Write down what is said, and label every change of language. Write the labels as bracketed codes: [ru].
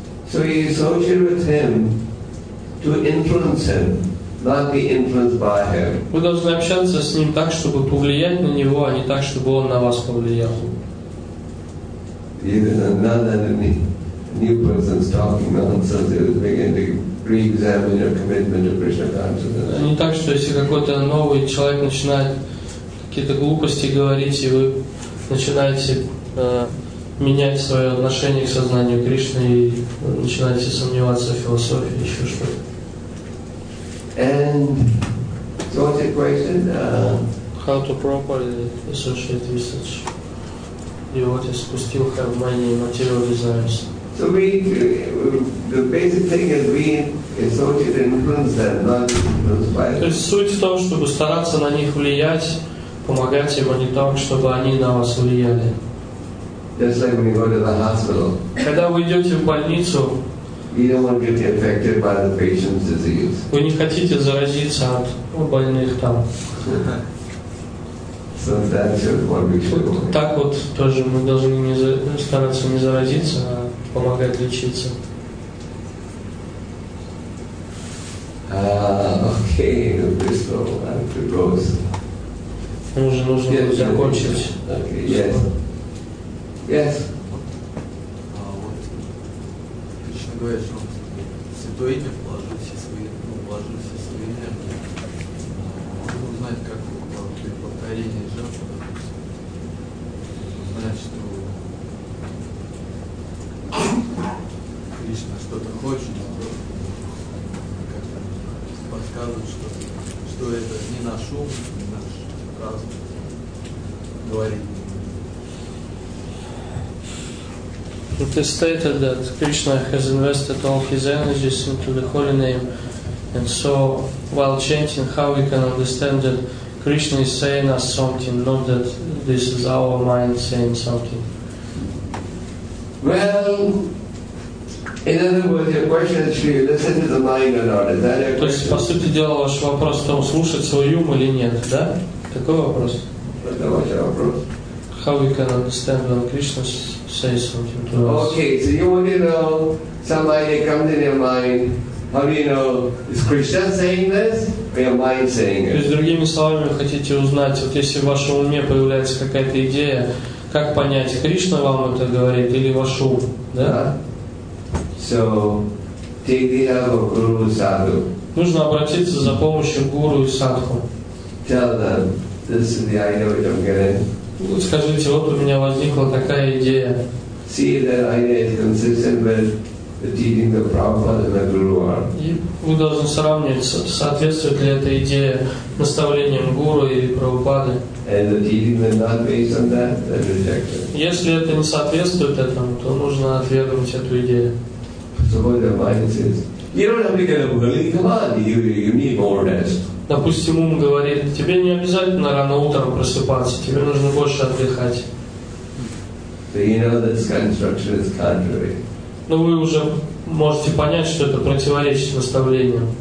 [en] So you associate with him to influence him, not be influenced by him. [ru] Вы должны общаться с ним так, чтобы повлиять на него, а не так, чтобы он на вас повлиял. [en] Even another new person is talking nonsense, you begin to re-examine your commitment to Krishna consciousness. [ru] Не так, что если какой-то новый человек начинает какие-то глупости говорить, и вы начинаете менять свое отношение к сознанию Кришны и начинаете сомневаться в философии, еще что-то. [en] And so what's the question? How to properly associate with such devotees who still have many material desires. So the basic thing is we associate and influence them, not influence by them. [ru] То есть суть в том, чтобы стараться на них влиять, помогать им, а не так, чтобы они на вас влияли. [en] Just like when you go to the hospital. [ru] Когда вы идете в больницу, [en] you don't want to get affected by the patient's disease. [ru] Вы не хотите заразиться от больных там. [en] So that's what we should do. [ru] Так вот тоже мы должны не стараться не заразиться, а помогать лечиться. [en] Okay, this will have to go. [ru] Уже нужно [en] yes, [ru] будет закончить. [en] Yes. Okay, yes. Yes. [ru] А вот Кришна говорит, что в святое имя вложил все свои, ну, вложил все свои энергии. Можно узнать, как при повторении жертвы, допустим, узнать, что Кришна что-то хочет, как-то подсказывает, что это не наш ум, не наш разум говорит. [en] It is stated that Krishna has invested all his energies into the holy name, and so while chanting, how we can understand that Krishna is saying us something, not that this is our mind saying something? Well, in other words, your question is should you listen to the mind or not? Is that your question? [ru] То есть, по сути дела, ваш вопрос в том, слушать свой ум или нет, да? Такой вопрос? Это ваш вопрос. [en] How we can understand when Krishna says something to us. Okay, so you want to know, some idea comes in your mind, how do you know, is Krishna saying this, or your mind saying it? [ru] То есть, другими словами, вы хотите узнать, вот если в вашем уме появляется какая-то идея, как понять, Кришна вам это говорит, или ваш ум, да? [en] So, take the help of Guru and Sadhu. [ru] Нужно обратиться за помощью Гуру и Садху. [en] Tell them, this is the idea which I'm getting. [ru] Вот скажите, вот у меня возникла такая идея. [en] See, that idea is consistent with the teaching of Prabhupada and Guru Ar. [ru] И вы должны сравнивать, соответствует ли эта идея наставлениям Гуру или Прабхупады. [en] And the teaching is not based on that, then reject it. [ru] Если это не соответствует этому, то нужно отвергнуть эту идею. [en] So what the mind says, you don't have to get up early, come on, you need more rest. [ru] Допустим, ум говорит, тебе не обязательно рано утром просыпаться, тебе нужно больше отдыхать. [en] So you know this construction is contrary. [ru] Но вы уже можете понять, что это противоречит наставлениям.